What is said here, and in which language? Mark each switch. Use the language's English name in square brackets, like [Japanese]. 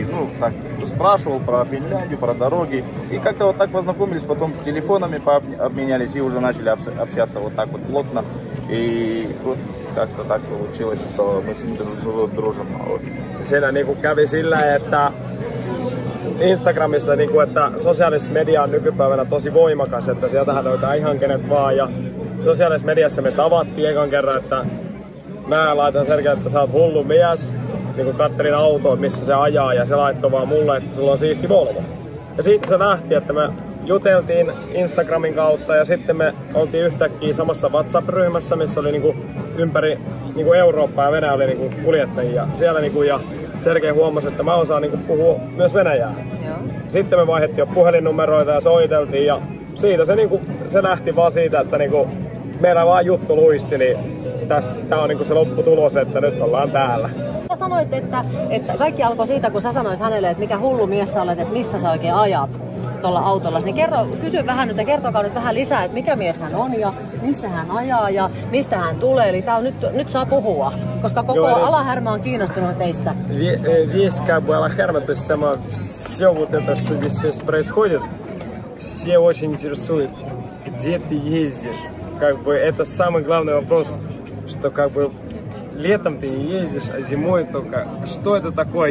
[Russian] И, ну, так спрашивал про Финляндию, про дороги. И как-то вот так познакомились, потом телефонами обменялись и уже начали общаться вот так вот плотно. И вот как-то так получилось, что мы с ним дружим. Сена не кукави сильно, это... [Finnish] Instagramissa, niin kuin, että sosiaalisessa media on nykypäivänä tosi voimakas, että sieltähän löytää ihan kenet vaan. Ja sosiaalisessa mediassa me tavattiin ekan kerran, että mä laitan selkeä, että sä oot hullu mies, niin kuin kattelin autoa, missä se ajaa, ja se laittoi vaan mulle, että sulla on siisti Volvo. Ja sitten se lähti, että me juteltiin Instagramin kautta, ja sitten me oltiin yhtäkkiä samassa WhatsApp-ryhmässä, missä oli niin kuin ympäri niin kuin Eurooppaa ja Venäjä oli niin kuin kuljettajia siellä. Niin kuin, ja Sergei huomasi, että mä osaan niin kuin puhua myös venäjää. Joo. Sitten me vaihdettiin jo puhelinnumeroita ja soiteltiin, ja siitä se, niin kuin, se lähti vaan siitä, että niin kuin, meillä vaan juttu luisti, niin tästä, tämä on niin kuin se lopputulos, että nyt ollaan täällä. Sä sanoit, että kaikki alkoi siitä, kun sä sanoit hänelle, että mikä hullu mies sä olet, että missä sä oikein ajat tuolla autolla. Niin kysy vähän nyt ja kertokaa nyt vähän lisää, että mikä mies hän on ja missä hän ajaa ja mistä hän tulee. Eli tää on nyt saa puhua, koska koko joo, alahärmä on kiinnostunut teistä. [Russian] Весь как бы алахерма, то есть сама все вот это, что здесь сейчас происходит, все очень интересует, где ты ездишь. Как бы это самый главный вопрос, что как бы летом ты не ездишь, а зимой только. Что это такое?